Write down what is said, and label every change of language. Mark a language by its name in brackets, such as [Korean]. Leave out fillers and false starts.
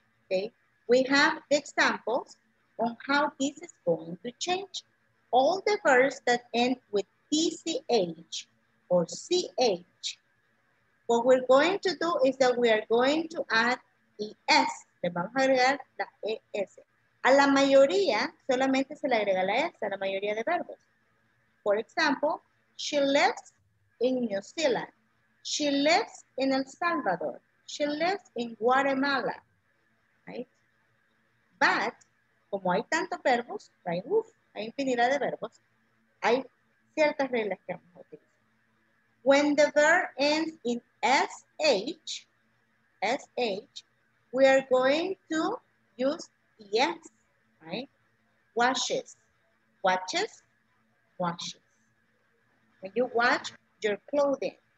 [English] Okay, we have examples on how this is going to change. All the verbs that end with TCH or CH, what we're going to do is that we are going to add ES. [Spanish] Le vamos a agregar la ES. A la mayoría, solamente se le agrega la S, a la mayoría de verbos. [English] For example, she lives in New Zealand. She lives in El Salvador. She lives in Guatemala. Right? [Spanish] But, como hay tantos verbos, right? Uf, hay infinidad de verbos, hay ciertas reglas que vamos a utilizar. [English] When the verb ends in SH, we are going to use ES, right? Washes. When you wash your clothing.